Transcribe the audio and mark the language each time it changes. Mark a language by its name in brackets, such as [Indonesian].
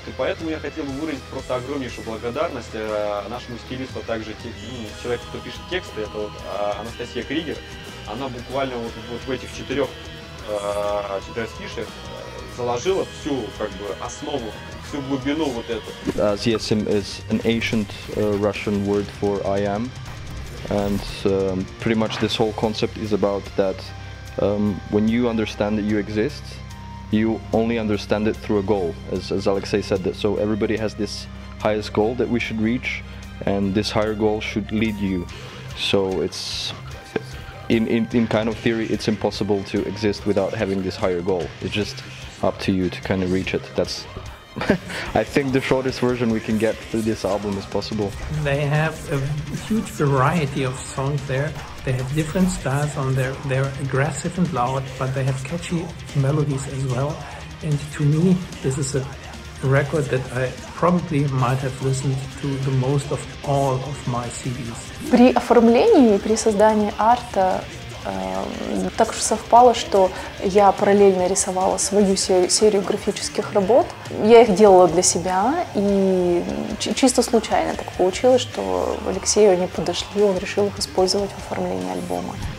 [Russian] И поэтому я хотел бы выразить просто огромнейшую благодарность нашему стилисту, а также человеку, кто пишет тексты, это вот Анастасия Кригер. Она буквально вот в этих четырех стишах заложила всю, как бы, основу, всю глубину вот эту. [English] ZSM is an ancient Russian word for I am, and pretty much this whole concept is about that. When you understand that you exist, you only understand it through a goal, as Alexey said that. So everybody has this highest goal that we should reach, and this higher goal should lead you. So it's in kind of theory, it's impossible to exist without having this higher goal. It's just up to you to kind of reach it. That's I think the shortest version we can get through this album is possible. They have a huge variety of songs there. They have different styles on there. They're aggressive and loud, but they have catchy melodies as well. And to me, this is a record that I probably might have listened to the most of all of my CDs. [Russian] При оформлении, при создании арта, так уж совпало, что я параллельно рисовала свою серию графических работ. Я их делала для себя, и чисто случайно так получилось, что Алексею они подошли, он решил их использовать в оформлении альбома.